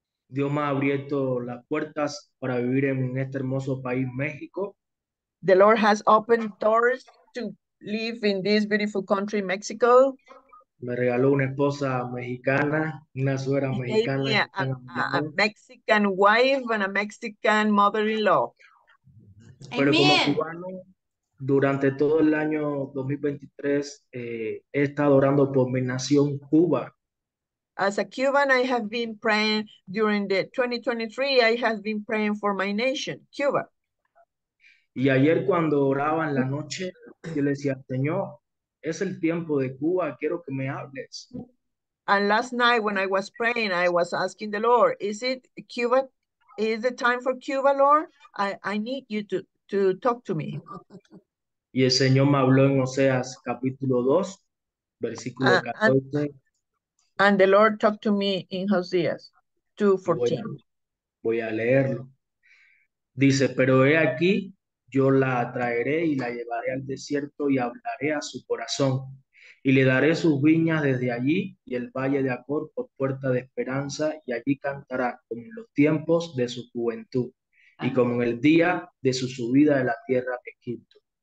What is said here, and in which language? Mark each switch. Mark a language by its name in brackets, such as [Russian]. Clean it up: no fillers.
[Spanish] Dios me ha abierto las puertas para vivir en este hermoso país, México. [English] The Lord has opened doors to live in this beautiful country, Mexico. [Spanish] Me regaló una esposa mexicana, una suegra mexicana. [English] A Mexican wife and a Mexican mother-in-law. [Spanish] Pero como cubano, durante todo el año 2023, he estado orando por mi nación Cuba. [English] As a Cuban, I have been praying during the 2023, I have been praying for my nation, Cuba. [Spanish] Y ayer cuando oraba en la noche, yo le decía, Señor, es el tiempo de Cuba, quiero que me hables. [English] And last night when I was praying, I was asking the Lord, is it Cuba, is the time for Cuba, Lord? I need you to talk to me. [Spanish] Y el Señor me habló en Oseas capítulo 2, versículo 14. [English] And the Lord talked to me in Hoseas 2:14. [Spanish] Voy a leerlo. Dice, pero he aquí, yo la traeré y la llevaré al desierto y hablaré a su corazón. Y le daré sus viñas desde allí y el valle de Acor por puerta de esperanza. Y allí cantará como en los tiempos de su juventud y como en el día de su subida de la tierra de Egipto.